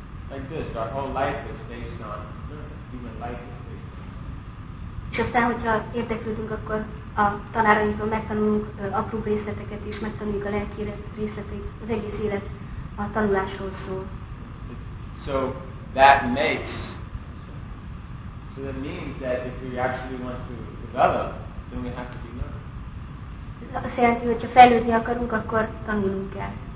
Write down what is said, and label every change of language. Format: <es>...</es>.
<en>Like this, our whole life is based on human life is based on.</en> <hu>És aztán, hogyha érdeklődünk, akkor a tanárainktól megtanulunk apró részleteket, és megtanuljuk a lelki részleteit, az egész élet a tanulásról szól.</hu> <en>So that means that if we actually want to develop, then we have to be learned.</en> <hu>Azt jelenti, hogyha fejlődni akarunk, akkor tanulnunk kell.</hu>